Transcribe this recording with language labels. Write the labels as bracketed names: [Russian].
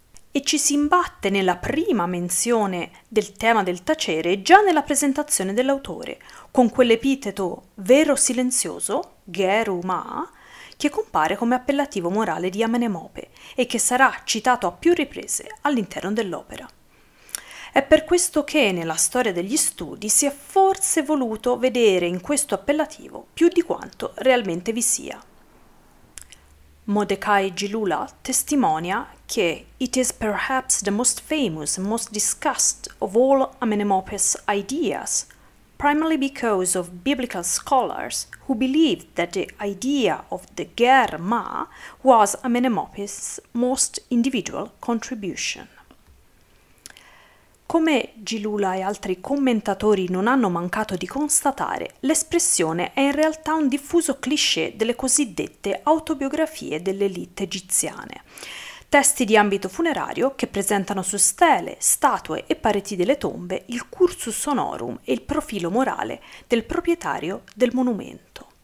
[Italian] E ci si imbatte nella prima menzione del tema del tacere già nella presentazione dell'autore, con quell'epiteto vero silenzioso, Geruma, che compare come appellativo morale di Amenemope e che sarà citato a più riprese all'interno dell'opera. È per questo che nella storia degli studi si è forse voluto vedere in questo appellativo più di quanto realmente vi sia. [English] Mordecai Gilula [Italian] testimonia che [English] «It is perhaps the most famous and most discussed of all Amenemope's ideas», primarily because of biblical scholars who believed that the idea of the Ger Ma was Amenemope's most individual contribution. [Italian] Come Gilula e altri commentatori non hanno mancato di constatare, l'espressione è in realtà un diffuso cliché delle cosiddette autobiografie dell'élite egiziane. Testi di ambito funerario che presentano su stele, statue e pareti delle tombe il cursus honorum e il profilo morale del proprietario del monumento.